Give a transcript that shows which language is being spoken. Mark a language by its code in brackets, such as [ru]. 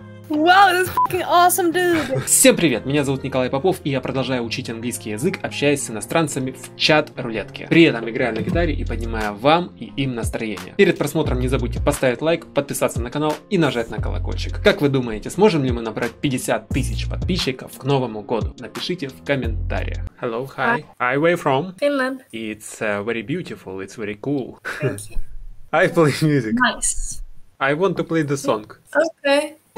[ru] Вау, это [en] fucking awesome, dude. [ru] Всем привет, меня зовут Николай Попов, и я продолжаю учить английский язык, общаясь с иностранцами в чат-рулетке. При этом играя на гитаре и поднимая вам и им настроение. Перед просмотром не забудьте поставить лайк, подписаться на канал и нажать на колокольчик. Как вы думаете, сможем ли мы набрать 50 тысяч подписчиков к Новому году? Напишите в комментариях. [en] Hello, hi. Hi, where you from? Finland. It's very beautiful, it's very cool. Thank you. I play music. Nice. I want to play the song. Okay.